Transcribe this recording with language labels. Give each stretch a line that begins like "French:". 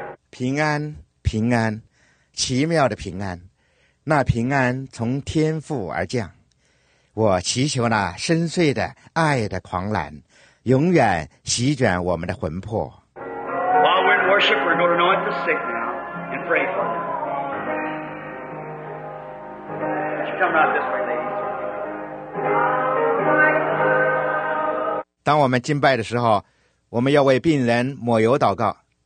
Chinese: 平安，平安，奇妙的平安，那平安从天父而降。我祈求那深邃的爱的狂澜，永远席卷我们的魂魄。
English: While we're in worship, we're going to anoint the sick now and pray for them. Come out this way, ladies.
Chinese: 当我们敬拜的时候，我们要为病人抹油祷告。